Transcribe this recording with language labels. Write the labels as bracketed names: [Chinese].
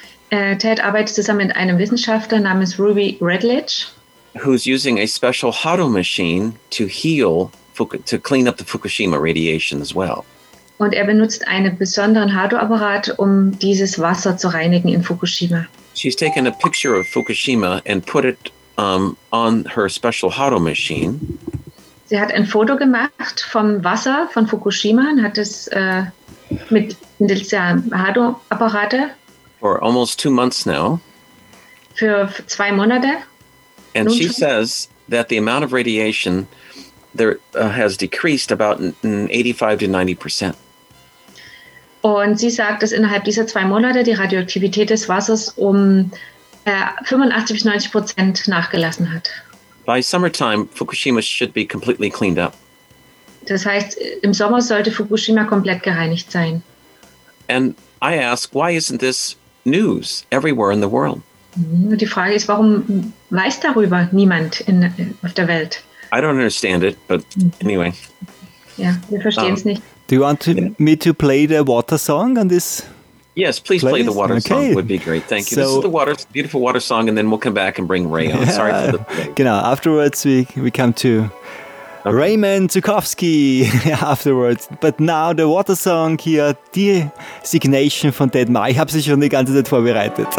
[German] Ted arbeitet zusammen mit einem Wissenschaftler namens Ruby Rutledge. [English] Who's using a special HADO machine to heal, to clean up the Fukushima radiation as well. [German] Und benutzt einen besonderen HADO-Apparat, dieses Wasser zu reinigen in Fukushima. [English] She's taken a picture of Fukushima and put it on her special HADO machine. [German] Sie hat ein Foto gemacht vom Wasser von Fukushima und hat es mit dem HADO-Apparat. [English] For almost 2 months now. [German] Für 2 Monate. [English] And she says that the amount of radiation there has decreased about 85 to 90%. [German] Und sie sagt, dass innerhalb dieser 2 Monate die Radioaktivität des Wassers 85 bis 90% nachgelassen hat. [English] By summertime, Fukushima should be completely cleaned up. [German] Das heißt, im Sommer sollte Fukushima komplett gereinigt sein. [English] And I ask, why isn't this news everywhere in the world? [German] Die Frage ist, warum weiß darüber niemand auf der Welt? [English] I don't understand it, but anyway. [German] Ja, wir verstehen es nicht. [English] Do you want me to play the water song on this? Yes, please play the water song. Would be great. Thank you. So, this is the water, beautiful water song, and then we'll come back and bring Ray on. Yeah, sorry for the delay. Genau, afterwards we come to Raymond Zukowski afterwards. But now the water song here, [German] die Signation von Ted Ma. Ich habe sie schon die ganze Zeit vorbereitet.